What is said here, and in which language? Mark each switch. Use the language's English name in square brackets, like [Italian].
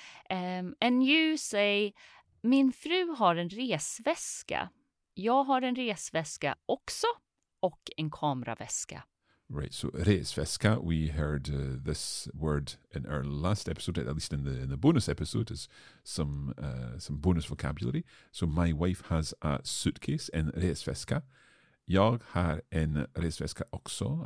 [English] And you say, [Swedish] min fru har en resväska. Jag har en resväska också. Och en kameraväska. [English] Right, so resväska, we heard this word in our last episode, at least in the bonus episode, is some bonus vocabulary. So my wife has a suitcase, [Swedish] en resväska. Jag har en resväska också.